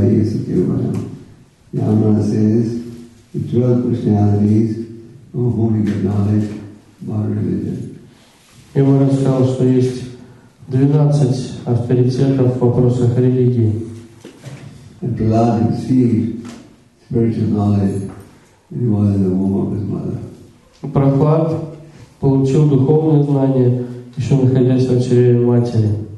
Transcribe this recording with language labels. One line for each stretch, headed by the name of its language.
English: Yama says the 12 personalities of whom we get knowledge about religion.
Russian: Yama рассказал, что есть 12 авторитетов в вопросах религии.
English: And Prahlad received spiritual knowledge when he was in the womb of his mother.
Russian: Прохлад получил духовное знание еще находясь в чреве матери.